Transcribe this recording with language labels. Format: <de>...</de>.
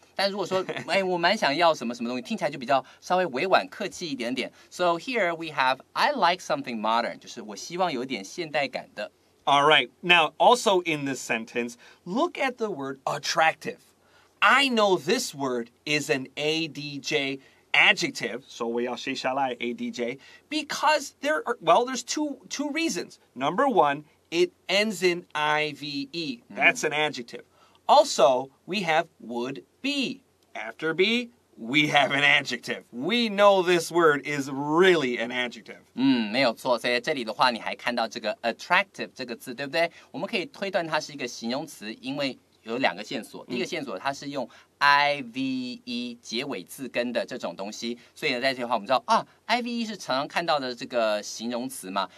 <zh>但如果说哎，我蛮想要什么什么东西，听起来就比较稍微委婉客气一点点。</zh> <en>So here we have I like something modern,</en> <zh>就是我希望有点现代感的。</zh> <en>All right, now also in this sentence, look at the word attractive. I know this word is an ADJ adjective, so</en> <zh>我要写下来</zh> <en>ADJ, because there are, well, there's two reasons. Number one,It ends in I-V-E. That's an adjective. Also, we have would be. After be, we have an adjective. We know this word is really an adjective.</en> <zh>没有错。所以这里的话你还看到这个 attractive 这个字，对不对？我们可以推断它是一个形容词，因为有两个线索。第一个线索它是用 I-V-E 结尾字根的这种东西。所以呢在这里的话我们知道啊 ,I-V-E 是常常看到的这个形容词嘛。</zh>